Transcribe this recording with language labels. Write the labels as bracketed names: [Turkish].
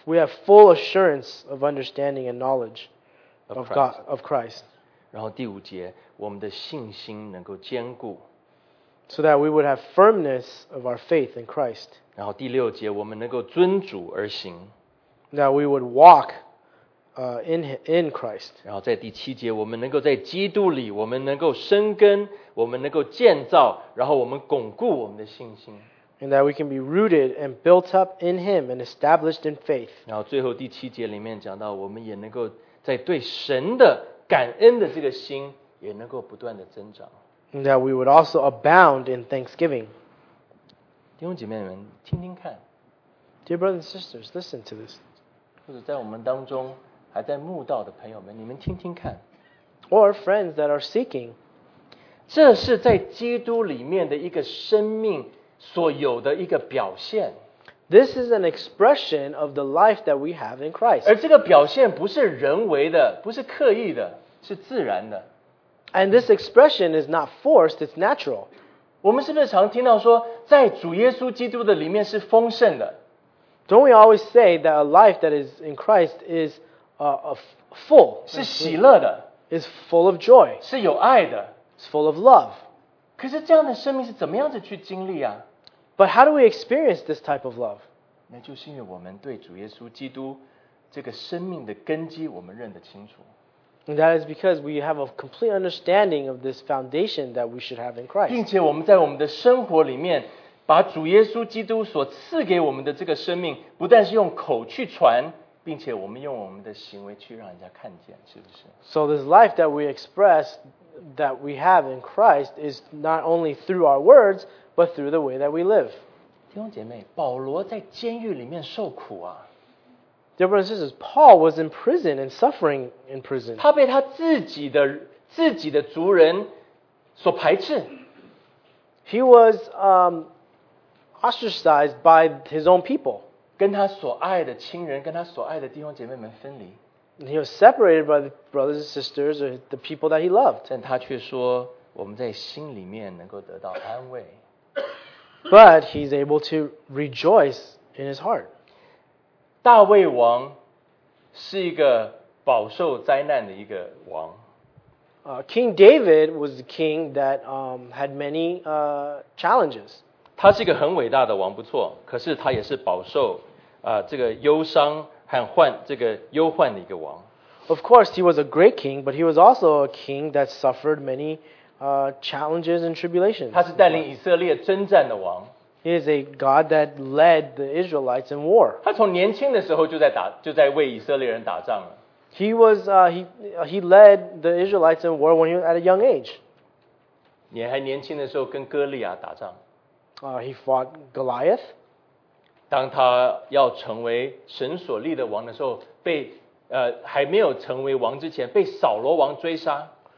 [English] We have full assurance of understanding and knowledge of Christ. God of Christ. [Chinese] 然后第五节，我们的信心能够坚固。 [English] So that we would have firmness of our faith in Christ. [Chinese] 然后第六节，我们能够遵主而行。 [English] That we would walk in Christ. [Chinese] 然后在第七节，我们能够在基督里，我们能够生根，我们能够建造，然后我们巩固我们的信心。 [English] And that we can be rooted and built up in Him and established in faith. [Chinese] 然后最后第七节里面讲到，我们也能够在对神的感恩的这个心也能够不断的增长。 [English] And that we would also abound in thanksgiving. [Chinese] 弟兄姐妹们，听听看。 [English] Dear brothers and sisters, listen to this. [Chinese] 或者在我们当中还在慕道的朋友们，你们听听看。 [English] Or friends that are seeking. [Chinese] 这是在基督里面的一个生命所有的一个表现。 [English] This is an expression of the life that we have in Christ. [Chinese] 而这个表现不是人为的，不是刻意的，是自然的。 [English] And this expression is not forced, it's natural. [Chinese] 我们是不是常听到说，在主耶稣基督的里面是丰盛的？ [English] Don't we always say that a life that is in Christ is full? [Chinese] 是喜乐的。 [English] Is full of joy. [Chinese] 是有爱的。 [English] Is full of love. [Chinese] 可是这样的生命是怎么样子去经历啊？ [English] But how do we experience this type of love? [Chinese] 那就是因为我们对主耶稣基督这个生命的根基我们认得清楚。 [English] And that is because we have a complete understanding of this foundation that we should have in Christ. [Chinese] 并且我们在我们的生活里面把主耶稣基督所赐给我们的这个生命不但是用口去传，并且我们用我们的行为去让人家看见，是不是？ [English] So this life that we express that we have in Christ is not only through our words but through the way that we live. [Chinese] 弟兄姐妹，保罗在监狱里面受苦啊。 [English] Dear brothers and sisters, Paul was in prison and suffering in prison. [Chinese] 他被他自己的族人所排斥。 [English] He was ostracized by his own people. [Chinese] 跟他所爱的亲人，跟他所爱的弟兄姐妹们分离。 [English] And he was separated by the brothers and sisters or the people that he loved. [Chinese] 但他却说，我们在心里面能够得到安慰。 [English] But he's able to rejoice in his heart. [Chinese] 大卫王是一个饱受灾难的一个王。 [English] King David was a king that had many challenges. [Chinese] 他是一个很伟大的王，不错，可是他也是饱受这个忧伤和患这个忧患的一个王。 [English] Of course, he was a great king, but he was also a king that suffered many challenges and tribulations. [Chinese] 他是带领以色列征战的王。 [English] He is a God that led the Israelites in war. [Chinese] 他从年轻的时候就在为以色列人打仗了。 [English] He was he led the Israelites in war when he was at a young age. [Chinese] 你还年轻的时候跟哥利亚打仗。 [English] He fought Goliath. [Chinese] 当他要成为神所立的王的时候，被还没有成为王之前被扫罗王追杀。